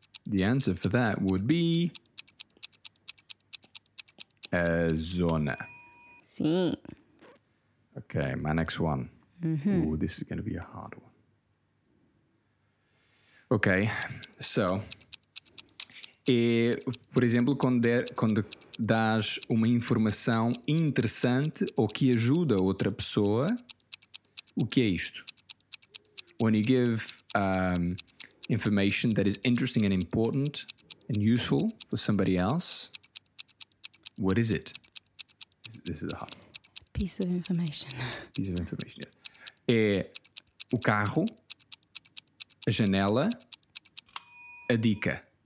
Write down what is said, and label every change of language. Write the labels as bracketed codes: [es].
[en] The answer for that would be a zona. [pt] Sim. [en] Okay, my next one. Mm-hmm. Ooh, this is going to be a hard one. [pt] Okay, so, por exemplo, quando dás uma informação interessante ou que ajuda outra pessoa, o que é isto? [en] When you give information that is interesting and important and useful for somebody else, what is it? This is a hard one. Piece of information. Piece of information, yes. [pt] É o carro, a janela, a dica.